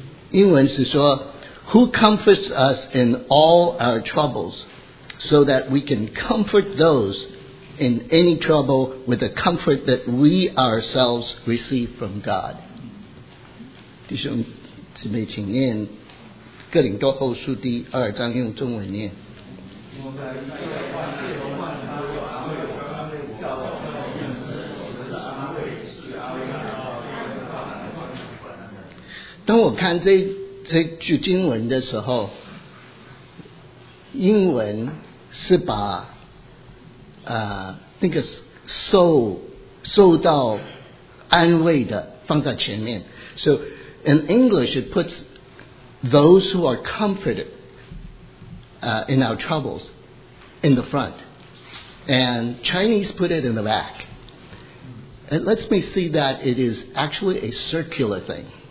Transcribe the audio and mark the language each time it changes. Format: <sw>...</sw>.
<zh>英文是说</zh> <en>Who comforts us in all our troubles so that we can comfort those in any trouble with the comfort that we ourselves receive from God.</en> <zh>弟兄姊妹请念哥林多后书第二章用中文念。当我看这句经文的时候，英文是把那个受到安慰的放在前面。</zh> <en>So in English it puts those who are comforted in our troubles in the front, and Chinese put it in the back. It lets me see that it is actually a circular thing.</en>